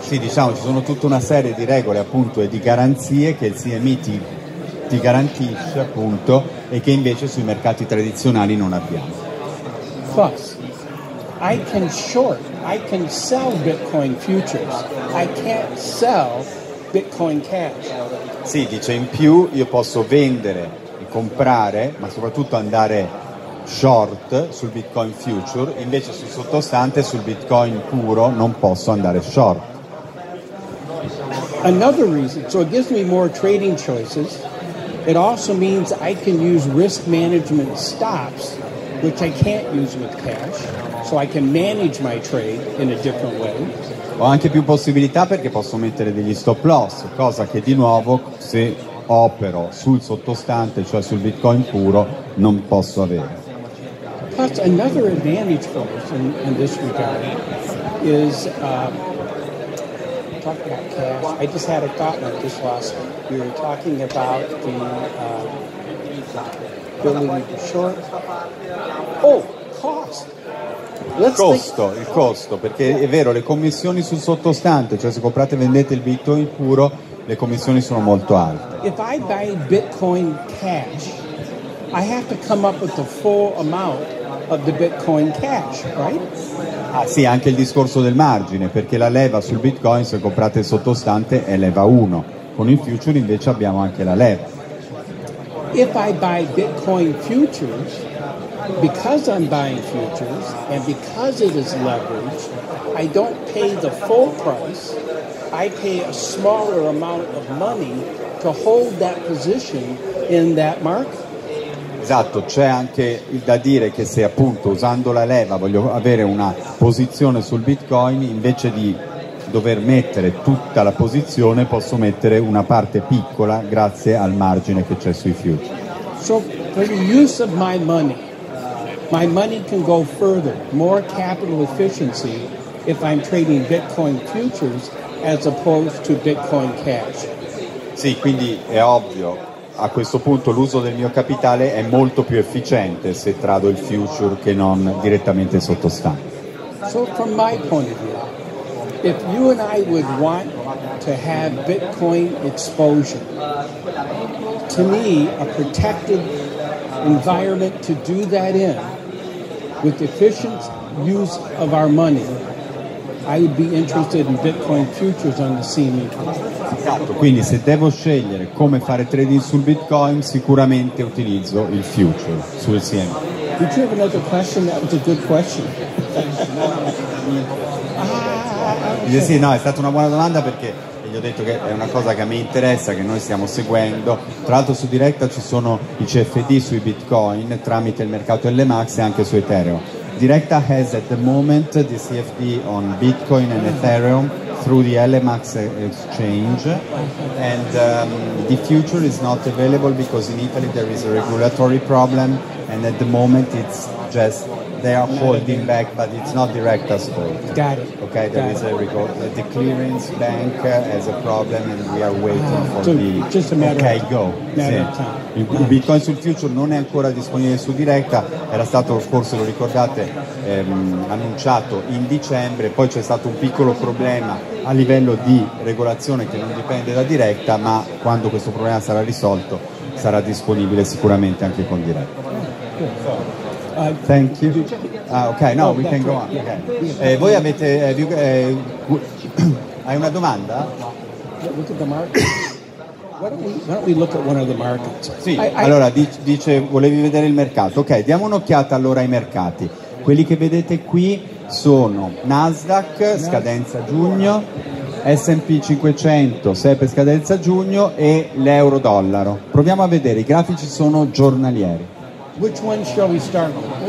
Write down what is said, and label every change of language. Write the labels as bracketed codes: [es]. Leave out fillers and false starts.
[it] Sì, diciamo, ci sono tutta una serie di regole, appunto, e di garanzie che il CME ti garantisce, appunto, e che invece sui mercati tradizionali non abbiamo. [en] Plus, I can short, I can sell Bitcoin futures. I can't sell Bitcoin Cash. [it] Sì, dice, in più io posso vendere e comprare, ma soprattutto andare short sul Bitcoin future, invece sul sottostante sul Bitcoin puro non posso andare short. [en] Another reason, so it gives me more trading choices. It also means I can use risk management stops, which I can't use with cash, so I can manage my trade in a different way. [it] Ho anche più possibilità perché posso mettere degli stop loss, cosa che di nuovo se opero sul sottostante, cioè sul Bitcoin puro, non posso avere. [en] Plus, another advantage for us in this regard is, talk about cash. I just had a thought and I just lost it. We were talking about the building the short. Oh, cost. [it] Il costo, perché è vero, le commissioni sul sottostante, cioè se comprate e vendete il Bitcoin puro, le commissioni sono molto alte. [en] If I buy Bitcoin cash, I have to come up with the full amount of the Bitcoin cash, right? [it] Ah sì, anche il discorso del margine, perché la leva sul Bitcoin, se comprate il sottostante, è leva 1. Con il future invece abbiamo anche la leva. [en] If I buy Bitcoin futures, because I'm buying futures, and because it is leveraged, I don't pay the full price, I pay a smaller amount of money to hold that position in that market. [it] Esatto, c'è anche da dire che se appunto usando la leva voglio avere una posizione sul Bitcoin, invece di dover mettere tutta la posizione posso mettere una parte piccola grazie al margine che c'è sui futures. [en] So per use of my money can go further, more capital efficiency if I'm trading Bitcoin futures as opposed to Bitcoin cash. [it] Sì, quindi è ovvio a questo punto l'uso del mio capitale è molto più efficiente se trado il future che non direttamente sottostante. [en] So from my point of view, if you and I would want to have Bitcoin exposure, to me a protected environment to do that in with efficient use of our money, I would be interested in Bitcoin futures on the CME. [it] Esatto, quindi se devo scegliere come fare trading sul Bitcoin, sicuramente utilizzo il future sul CME. [en] Did you have another question? That was a good question. Okay. [it] Sì, no, è stata una buona domanda perché gli ho detto che è una cosa che a me interessa, che noi stiamo seguendo. Tra l'altro su Directa ci sono i CFD sui Bitcoin tramite il mercato LMAX e anche su Ethereum. [en] Directa has at the moment the CFD on Bitcoin and Ethereum through the LMAX exchange, and the future is not available because in Italy there is a regulatory problem, and at the moment it's just they are holding back, but it's not Directa's fault. Got it. Okay, there is a record. The clearance bank has a problem, and we are waiting for the... Just a matter okay, of go. Matter [it] sì. [en] Of time. [it] Bitcoin sul future non è ancora disponibile su Directa. Era stato, forse lo ricordate, annunciato in dicembre. Poi c'è stato un piccolo problema a livello di regolazione che non dipende da Directa, ma quando questo problema sarà risolto, sarà disponibile sicuramente anche con Directa. [en] Thank you. Ah, ok, no, we can go on. Okay. [it] Voi avete... hai una domanda? [en] Look at the market. Why don't we look at one of the markets? [it] Sì, allora, dice, volevi vedere il mercato. Ok, diamo un'occhiata allora ai mercati. Quelli che vedete qui sono Nasdaq, scadenza giugno, S&P 500, sempre scadenza giugno, e l'euro-dollaro. Proviamo a vedere, i grafici sono giornalieri. [en] Which one shall we start with?